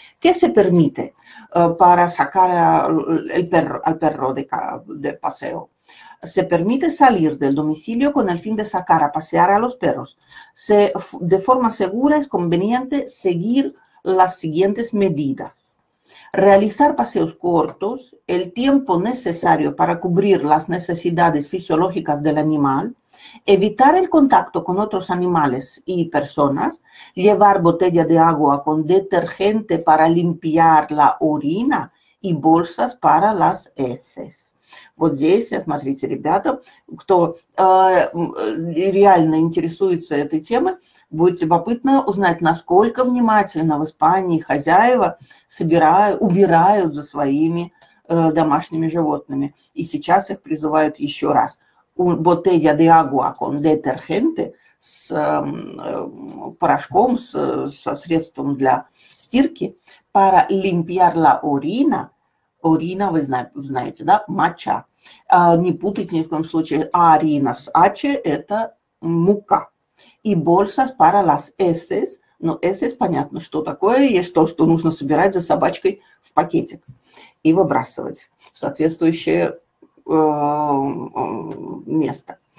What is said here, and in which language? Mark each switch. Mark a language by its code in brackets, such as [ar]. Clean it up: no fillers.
[es] ¿Qué se permite para sacar al perro de paseo? Se permite salir del domicilio con el fin de sacar a pasear a los perros. De forma segura es conveniente seguir las siguientes medidas. Realizar paseos cortos, el tiempo necesario para cubrir las necesidades fisiológicas del animal, evitar el contacto con otros animales y personas, llevar botella de agua con detergente para limpiar la orina y bolsas para las heces. [ru] Вот здесь, смотрите, ребята, кто реально интересуется этой темой, будет любопытно узнать, насколько внимательно в Испании хозяева убирают за своими домашними животными. И сейчас их призывают еще раз. [es] Botella de agua con detergente, с порошком, со средством для стирки, para limpiar la orina. [ru] Орина, вы знаете, да, моча. Не путайте ни в коем случае. Арина с аче – это мука. И bolsas para las heces. Ну, heces, понятно, что такое. Есть то, что нужно собирать за собачкой в пакетик и выбрасывать в соответствующее место.